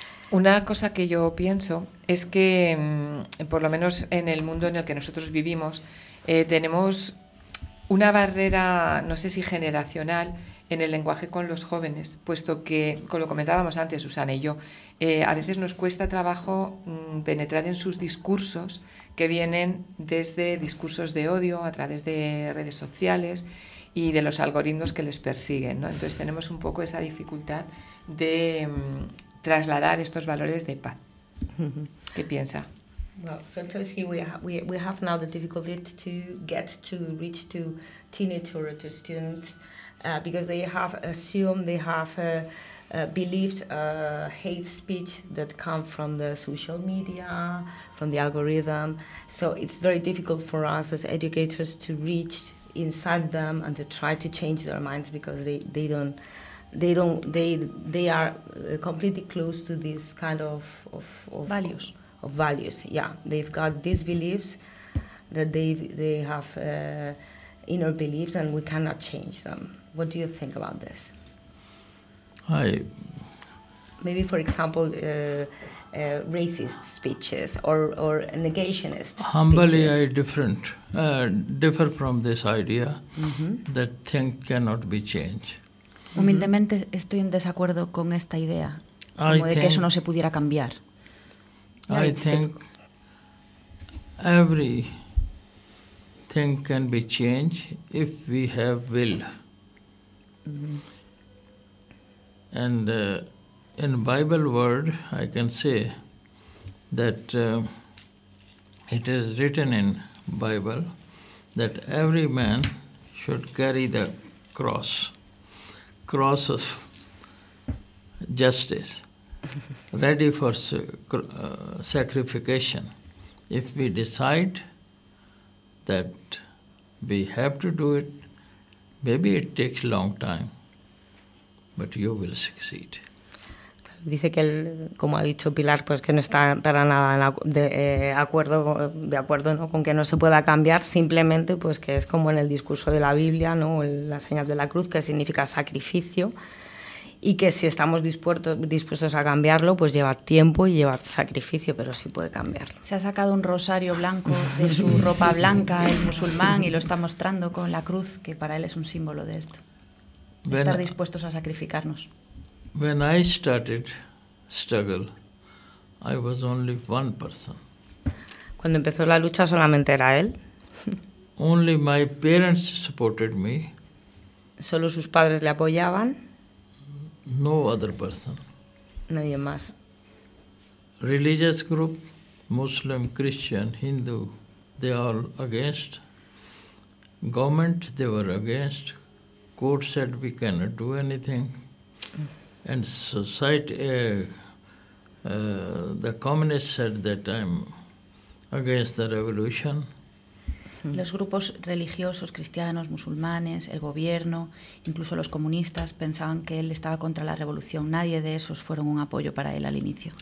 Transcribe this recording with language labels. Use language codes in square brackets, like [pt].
[es] Una cosa que yo pienso es que, por lo menos en el mundo en el que nosotros vivimos, tenemos una barrera, no sé si generacional, en el lenguaje con los jóvenes, puesto que, como lo comentábamos antes, Susana y yo, a veces nos cuesta trabajo penetrar en sus discursos que vienen desde discursos de odio, a través de redes sociales y de los algoritmos que les persiguen, ¿no? Entonces tenemos un poco esa dificultad de trasladar estos valores de paz. ¿Qué piensa? [en] Well, sometimes here we have now the difficulty to reach to teenager or to students because they have assumed, they have believed hate speech that come from the social media, from the algorithm. So it's very difficult for us as educators to reach inside them and to try to change their minds because they are completely close to this kind of values. Of values, yeah. They've got these beliefs that they have inner beliefs and we cannot change them. What do you think about this? Maybe, for example, racist speeches or negationist speeches. Humbly, I differ from this idea that things cannot be changed. [es] Humildemente estoy en desacuerdo con esta idea, como de que eso no se pudiera cambiar. [en] I think every thing can be changed if we have will. And in Bible word, I can say that it is written in Bible that every man should carry the cross. Cross of justice, ready for sacrification. If we decide that we have to do it, maybe it takes a long time, but you will succeed. [es] Dice que él, como ha dicho Pilar, pues que no está para nada de acuerdo, ¿no?, con que no se pueda cambiar, simplemente pues que es como en el discurso de la Biblia, ¿no?, la señal de la cruz, que significa sacrificio, y que si estamos dispuestos a cambiarlo, pues lleva tiempo y lleva sacrificio, pero sí puede cambiarlo. Se ha sacado un rosario blanco de su ropa blanca, el musulmán, y lo está mostrando con la cruz, que para él es un símbolo de esto. Estar dispuestos a sacrificarnos. [en] When I started struggle, I was only one person. [es] Cuando empezó la lucha solamente era él. [en] Only my parents supported me. [es] Solo sus padres le apoyaban. [en] No other person. [es] Nadie más. [en] Religious group, Muslim, Christian, Hindu, they all against. Government, they were against. Court said we cannot do anything. And society, the communists said that I'm against the revolution. [es] Los grupos religiosos, cristianos, musulmanes, el gobierno, incluso los comunistas, pensaban que él estaba contra la revolución. Nadie de esos fueron un apoyo para él al inicio.